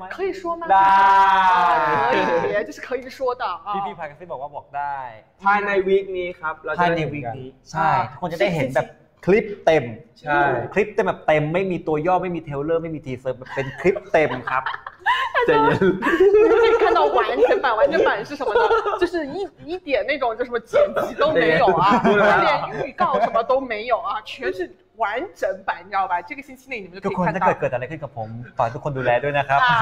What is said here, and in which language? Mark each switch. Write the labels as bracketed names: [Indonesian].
[Chinese] 可以说吗 [Thai] ได้ [Chinese] 可以就是可以说的啊 [Thai] พี่ๆพายก็ได้บอกว่าบอกได้ภายในวีคนี้ครับ ภายในวีคนี้ใช่ทุกคนจะได้เห็นแบบคลิปเต็ม ใช่ คลิปเต็มแบบเต็มไม่มีตัวย่อไม่มีเทเลอร์ไม่มีทีเซอร์เป็นคลิปเต็มครับ ใจเย็นไม่ได้ [Chinese] 看到完整版完整版是什么呢就是一点那种就什么剪辑都没有啊连预告什么都没有啊全是完整版你知道吧这个星期内你们就可以看到 [Thai] ทุกคนถ้าเกิดอะไรขึ้นกับผมฝากทุกคนดูแลด้วยนะครับ